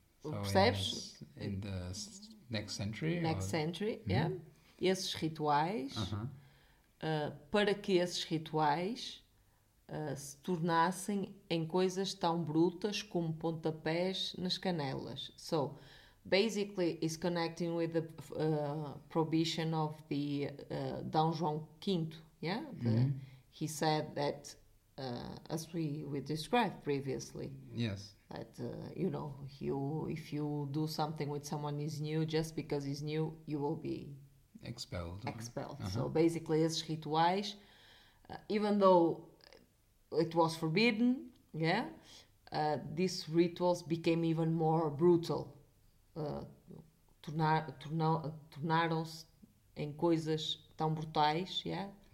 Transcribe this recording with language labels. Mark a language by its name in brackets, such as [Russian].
[Portuguese] So percebes? [English] In the next century. Yeah. [Portuguese] Esses rituais, [English] uh-huh. [Portuguese] Para que esses rituais se tornassem em coisas tão brutas como pontapés nas canelas. [English] So, basically, it's connecting with the prohibition of the Dom João V. Yeah, he said that, as we described previously. Yes. That you know, if you do something with someone who's new, just because he's new, you will be expelled. Expelled. Uh-huh. So basically, [Portuguese] esses rituais, [English] even though it was forbidden, yeah, these rituals became even more brutal. [Portuguese] Tornaram-se em coisas tão brutais, yeah?